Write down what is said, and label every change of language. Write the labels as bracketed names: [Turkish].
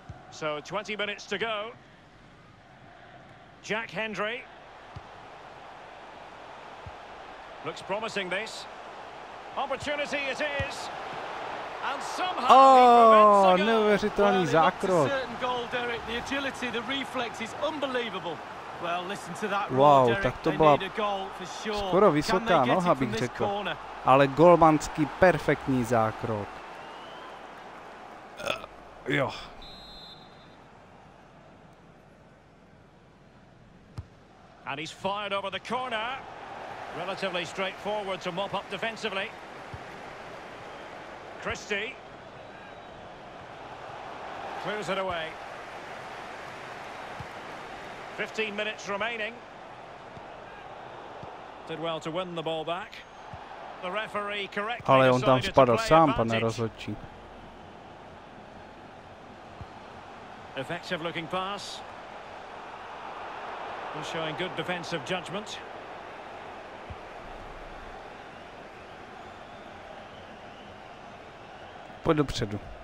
[English] So 20 minutes to go. Jack Hendry. Looks promising this. Opportunity it is. And somehow [Czech] neuvěřitelný zákrok. [English] The agility, the reflex is unbelievable. Well, listen to that. [Czech] Wow, tak to byla skoro vysoká noha, bych řekl. Ale golmanský perfektní zákrok. Jo. [English] And he's fired over the corner. Relatively straightforward to mop up defensively. Christie. Clears it away. 15 minutes remaining. Did well to win the ball back. [Czech] Ale on tam spadl sám, pane rozhodčí. [English] Effective looking pass. He's showing good defensive judgment. [Czech] Pojď dopředu.